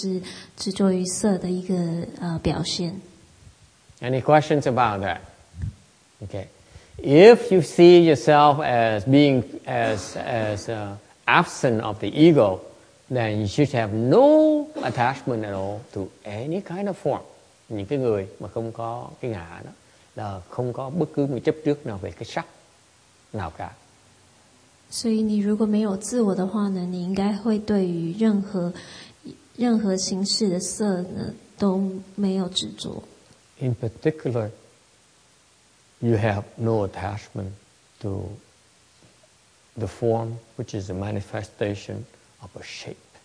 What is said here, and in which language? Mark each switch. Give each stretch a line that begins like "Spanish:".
Chinese: 这就是执着于色的一个 表现.
English: Any questions about that? Okay. If you see yourself as being absent of the ego, then you should have no attachment at all to any kind of form.
Vietnamese: Những cái người mà không có cái ngã đó là không có bất cứ một chấp trước nào về cái sắc nào cả.
Chinese: 所以你如果没有自我的话呢，你应该会对于任何 任何形式的色呢都没有执着.
English: In particular, you have no attachment to the form, which is a manifestation of a shape.